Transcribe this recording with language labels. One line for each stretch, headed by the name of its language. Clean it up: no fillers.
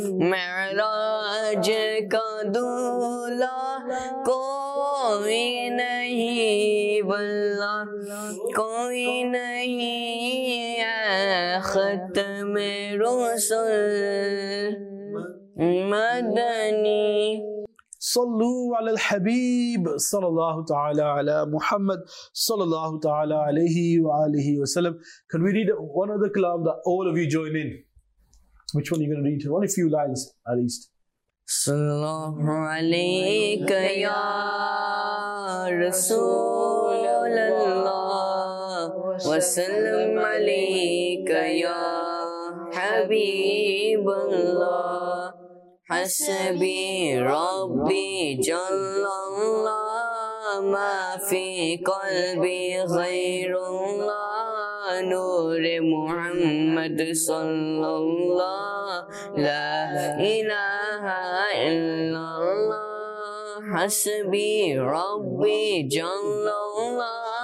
Urdu: معراج کا دولہ کوئی نہیں واللہ کوئی نہیں ختم رسول مدنی
Arabic: صلو علی الحبیب صلی اللہ تعالی علی محمد صلی اللہ تعالی علیہ وآلہ وسلم.
English: Can we read one other kalam that all of you join in? Which one are you going to read? Only a few lines at least.
Arabic: Sallallahu alayka ya Rasulullah wa sallam alayka ya Habibullah حسبي ربي جل الله ما في قلبي غير الله نور محمد صلى الله لا إله إلا الله حسبي ربي جل الله